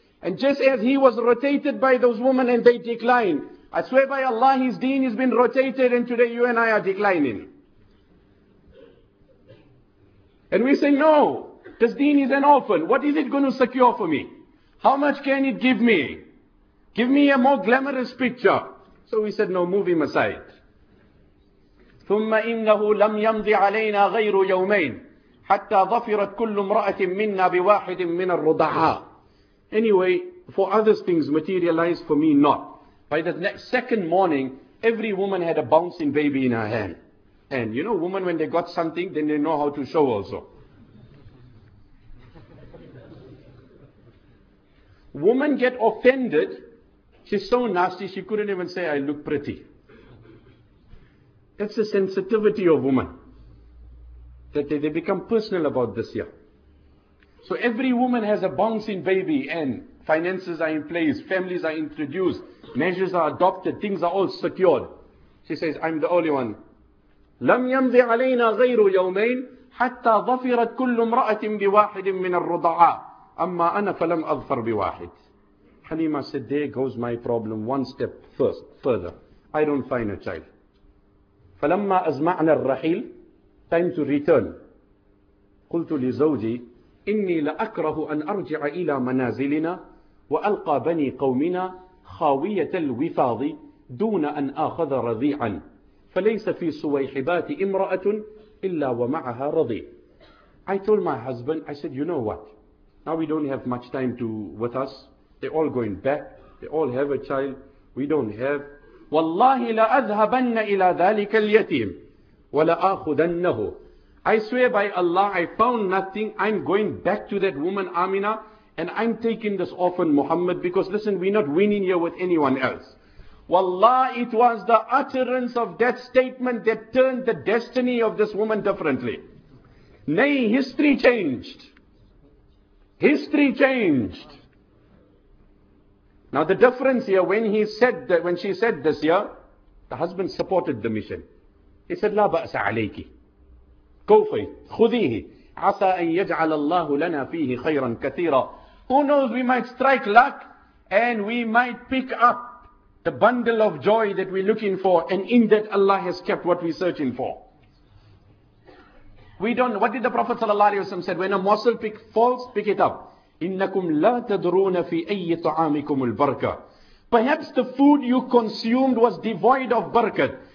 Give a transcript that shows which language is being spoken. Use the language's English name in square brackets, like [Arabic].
[English] And just as he was rotated by those women and they declined, I swear by Allah, his deen has been rotated and today you and I are declining. And we say, no, this deen is an orphan. What is it going to secure for me? How much can it give me? Give me a more glamorous picture. So we said, no, move him aside. [Arabic] ثُمَّ إِنَّهُ لَمْ يَمْضِ عَلَيْنَا غَيْرُ يَوْمَيْنِ حَتَّى ظَفِرَتْ كُلُّ امْرَأَةٍ مِنَّا بِوَاحِدٍ مِنَ الرُّضَعَاءِ [English] Anyway, for others things materialized for me not. By the next second morning, every woman had a bouncing baby in her hand. And you know, women when they got something, then they know how to show also. Woman get offended, she's so nasty, she couldn't even say, I look pretty. That's the sensitivity of woman. That they become personal about this year. So every woman has a bouncing baby and finances are in place, families are introduced, measures are adopted, things are all secured. She says, I'm the only one. [Arabic] لَمْ يَمْضِ عَلَيْنَا غَيْرُ يَوْمَيْنِ حَتَّى ظَفِرَتْ كُلُّ امْرَأَةٍ بِوَاحِدٍ مِنَ الرُّضَعَاءِ أَمَّا أَنَا فَلَمْ أَظْفَرْ بِوَاحِدٍ [English] Halima said, there goes my problem one step further. I don't find a child. [Arabic] فَلَمَّا أَزْمَعْنَا الرَّحِيلِ [English] Time to return. [Arabic] قُلْتُ لِزَوْجِي إِنِّي لَأَكْرَهُ أَنْ أَرْجِعَ إِلَى مَنَازِلِنَا وَأَلْقَى بَنِي قَوْمِنَا خَاوِيَةَ الْوِفَاضِ دُونَ أَنْ أَخَذَ رَضِيعًا فَلَيْسَ فِي صُوَيْحِبَاتِ إِمْرَأَةٌ إِلَّا وَمَعَهَا رَضِيعٌ [English] I told my husband, I said, you know what? Now we don't have much time with us. They're all going back. They all have a child. We don't have. [Arabic] وَاللَّهِ لَأَذْهَبَنَّ إِلَىٰ ذَلِكَ الْيَتِيمِ وَلَآخُدَنَّهُ [English] I swear by Allah, I found nothing. I'm going back to that woman, Amina, and I'm taking this orphan Muhammad, because listen, we're not winning here with anyone else. Wallah, it was the utterance of that statement that turned the destiny of this woman differently. Nay, history changed. History changed. Now the difference here, when she said this, the husband supported the mission. He said, [Arabic] لا بأس عليك. [English] Go for it. [Arabic] خذيه. عسى أن يجعل الله لنا فيه خيرا كثيرا. [English] Who knows, we might strike luck and we might pick up the bundle of joy that we're looking for, and in that Allah has kept what we're searching for. What did the Prophet ﷺ said? When a morsel falls, pick it up. [Arabic] إِنَّكُمْ لَا تَدْرُونَ فِي أَيِّ تُعَامِكُمُ الْبَرْكَةِ [English] Perhaps the food you consumed was devoid of barakah.